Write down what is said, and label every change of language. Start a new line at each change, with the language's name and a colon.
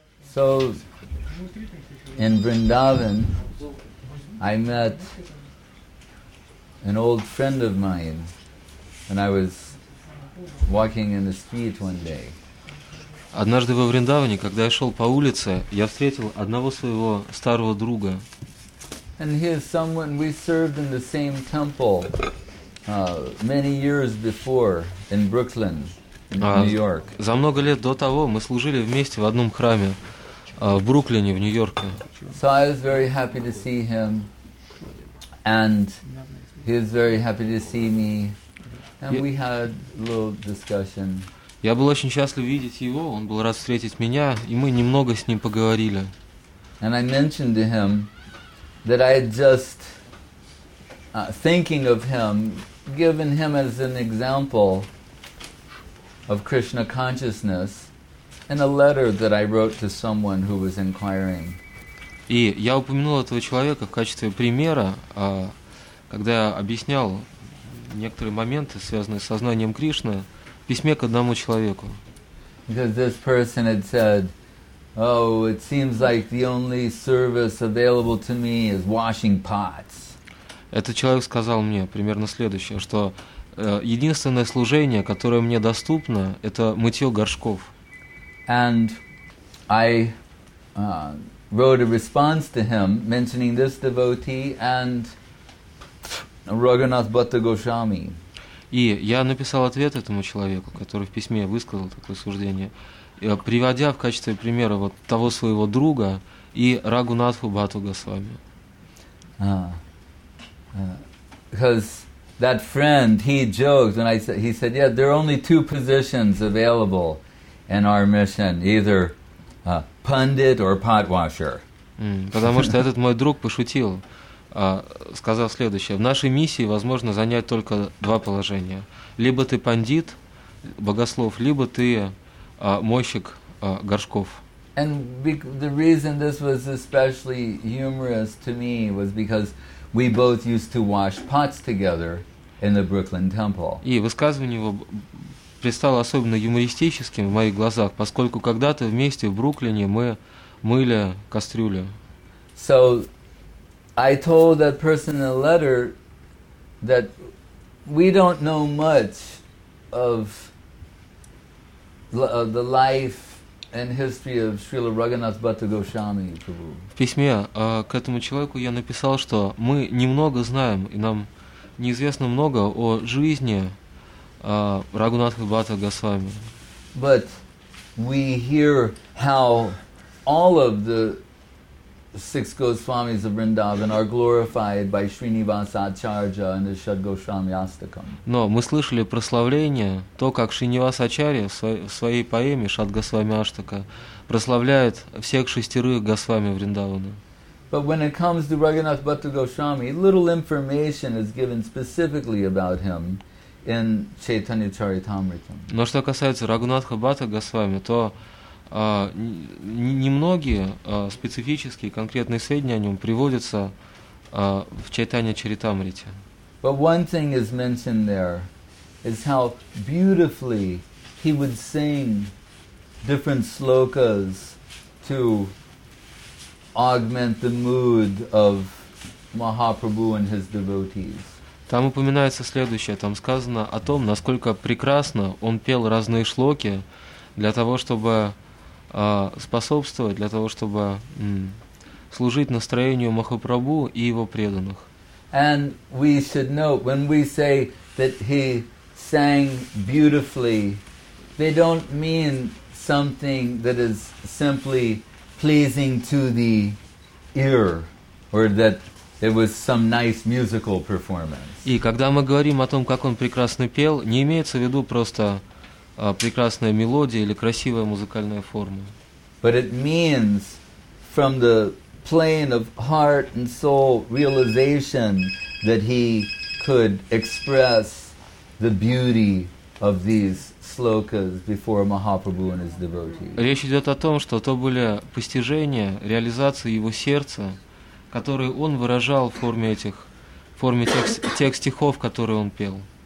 English: So, in Vrindavan, I met an old friend of mine when I was walking in the street one day.
Russian: Однажды во Вриндаване, когда я шел по улице, я встретил одного своего старого друга.
English: And he is someone we served in the same temple many years before in Brooklyn, New York.
Russian: За много лет до того мы служили вместе в одном храме в Бруклине, в Нью-Йорке.
English: So I was very happy to see him, and he was very happy to see me, and we had a little discussion.
Russian: Я был очень счастлив видеть его, он был рад встретить меня, и мы немного с ним поговорили.
English: And I mentioned to him that I had just, thinking of him, given him as an example of Krishna consciousness, in a letter that I wrote to someone who was inquiring.
Russian: И я упомянул этого человека в качестве примера, когда я объяснял некоторые моменты, связанные с сознанием Кришны, в письме к одному человеку.
English: Because this person had said, "Oh, it seems like the only service available to me is washing pots."
Russian: Этот человек сказал мне примерно следующее, что единственное служение, которое мне доступно, это мытье горшков.
English: And I wrote a response to him mentioning this devotee and Raghunath Bhatta Goswami.
Russian: И я написал ответ этому человеку, который в письме высказал такое суждение, приводя в качестве примера вот того своего друга и Рагунатху Бхатту Госвами.
English: Because that friend, he joked, and he said, "Yeah, there are only two positions available in our mission: either pundit or pot washer."
Russian: Потому что этот мой друг пошутил, сказав следующее: в нашей миссии возможно занять только два положения: либо ты пандит, богослов, либо ты мойщик горшков.
English: And the reason this was especially humorous to me was because we both used to wash pots together in the Brooklyn Temple.
Russian: И высказывание его предстало особенно юмористическим в моих глазах, поскольку когда-то вместе в Бруклине мы мыли кастрюли.
English: So I told that person in the letter that we don't know much of the life and history of Srila Raghunath Bhatta Goswami Prabhu.
Russian: В письме к этому человеку я написал, что мы немного знаем и нам неизвестно много о жизни Рагунатха Бхатта Госвами.
English: But we hear how all of the six Goswamis of Vrindavan are glorified by Srinivasa Acharya and the Shad Goswami Astakam.
Russian: Но мы слышали прославление, то, как Шринивасу Ачарья в своей поэме Шад Госвами Аштака прославляет всех шестерых Госвами Вриндавана.
English: But when it comes to Raghunath Bhatta Goswami, little information is given specifically about him in Chaitanya Charitamritam.
Russian: Но что касается Рагунатха Бхатта Госвами, то немногие специфические конкретные сведения о нем приводятся в Чайтанья Чаритамрите.
English: But one thing is mentioned there is how beautifully he would sing different slokas to augment the mood of Mahaprabhu and his devotees.
Russian: Там упоминается следующее, там сказано о том, насколько прекрасно он пел разные шлоки для того, чтобы способствовать, для того, чтобы служить настроению Махапрабху и его преданных.
English: And we should note, when we say that he sang beautifully, they don't mean something that is simply pleasing to the ear, or that it was some nice musical performance.
Russian: И когда мы говорим о том, как он прекрасно пел, не имеется в виду просто прекрасная мелодия или красивая музыкальная форма.
English: But it means from the plane of heart and soul realization that he could express the beauty of these slokas before Mahaprabhu and his devotees.
Russian: Речь идет о том, что то были постижения, реализации его сердца, которые он выражал в форме этих, в форме тех стихов, которые он пел.